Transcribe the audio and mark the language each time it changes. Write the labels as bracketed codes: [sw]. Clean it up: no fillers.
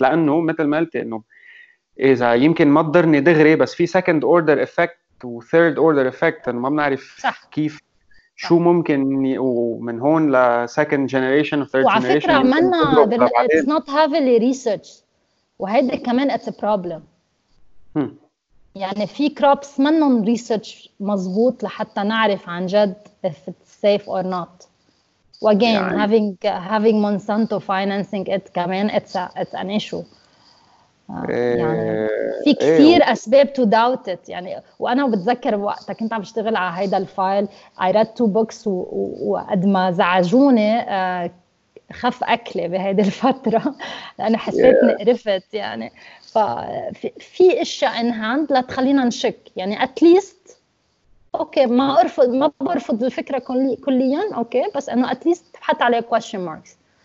[ar] لأنه مثل ما قلت إنه إذا يمكن ما ضرني دغري بس في [en] second order effect [ar] و [en] third order effect [ar] ما بنعرف كيف شو ممكن ومن هون ل [en] second generation third generation. [ar] وعلى فكرة منا [en] it's not heavily researched [ar] وهذا كمان [en] it's a problem. [ar] يعني في crops منهم research مظبوط لحتى نعرف عن جد [en] if it's safe or not. Again, [ar] يعني [en] having Monsanto financing it كمان it's an issue. [ar] يعني في كثير أسباب [en] to doubt it. [ar] يعني وأنا بتذكر وقتها كنت عم اشتغل على هيدا الفايل [en] I read two books [ar] وقد ما زعجوني خف أكلي بهيدي الفترة لأنه حسيت نقرفت يعني ففي إشياء [en] in hand [ar] لا تخلينا نشك يعني [en] at least [ar] أوكي ما أرفض ما برفض الفكرة كليا أوكي بس أنه at least حط عليه [en] question marks